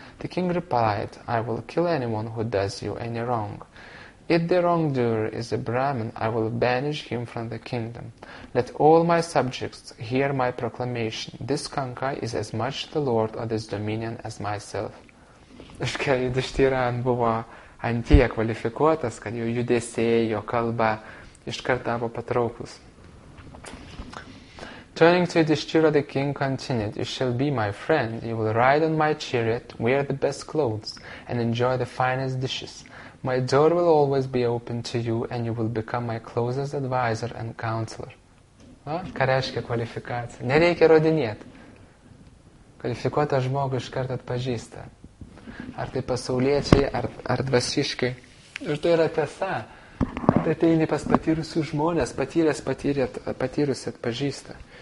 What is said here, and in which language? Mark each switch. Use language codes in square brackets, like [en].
[en] The king replied, I will kill anyone who does you any wrong. If the wrongdoer is a Brahmin, I will banish him from the kingdom. Let all my subjects hear my proclamation. This Kanka is as much the lord of this dominion as myself. [lt] Reiškia, Yudhishthira buvo ant tiek kvalifikuotas, kad jo judesiai, jo kalba iškart tapo patrauklus. [en] Turning to Yudhishthira, the king continued, You shall be my friend. You will ride on my chariot, wear the best clothes, and enjoy the finest dishes. My door will always be open to you, and you will become my closest advisor and counselor. [lt] Va, ką reiškia kvalifikacija? Nereikia rodinėti. Kvalifikuotas žmogus iškart atpažįsta. Ar tai pasauliečiai, ar dvasiškai. Ir tai yra tiesa. Tai eini pas patyrusių žmonės, patyrusi atpažįsta.